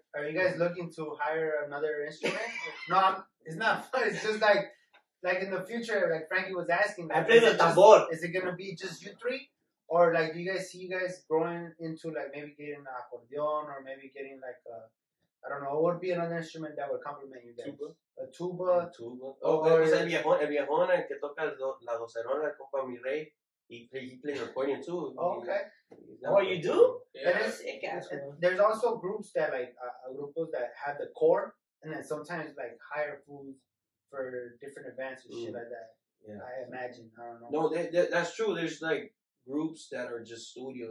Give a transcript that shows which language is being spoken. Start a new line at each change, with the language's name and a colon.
English: are you guys looking to hire another instrument? No, it's not fun. It's just like in the future, like Frankie was asking. Like, I play the tambor. Is it going to be just you three? Or like, do you guys see you guys growing into like maybe getting an accordion, or maybe getting like a, I don't know, what would be another instrument that would complement you guys? Tuba. A tuba.
Spanish: Oh, or, pues el viejón, el que toca la docerona, el compa mi rey.
English: He plays accordion too. Okay. Oh, you do? Yeah. That is sick. There's also groups that like grupos that have the core, and then sometimes like hire food for different events and shit like that. Yeah. I imagine. I don't know. No, that's true. There's like groups that are just studio.